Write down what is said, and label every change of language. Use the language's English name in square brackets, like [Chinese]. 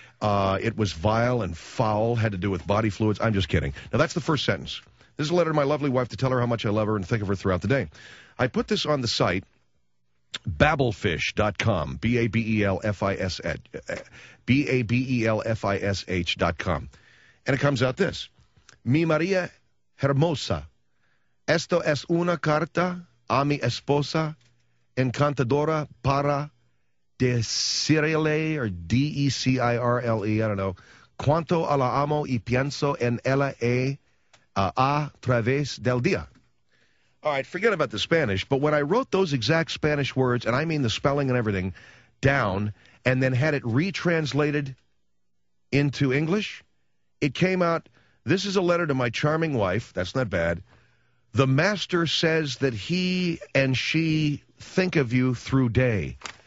[English] It was vile and foul, had to do with body fluids. I'm just kidding. Now, that's the first sentence. This is a letter to my lovely wife to tell her how much I love her and think of her throughout the day. I put this on the site, babblefish.com, babelfish.com, and it comes out this. [Spanish] Mi María hermosa, esto es una carta a mi esposa encantadora para decirle, [English] or D-E-C-I-R-L-E, I don't know, [Spanish] cuánto la amo y pienso en ella a través del día. [English] All right, forget about the Spanish, but when I wrote those exact Spanish words, and I mean the spelling and everything, down, and then had it retranslated into English, it came out, this is a letter to my charming wife, that's not bad, the master says that he and she think of you through day.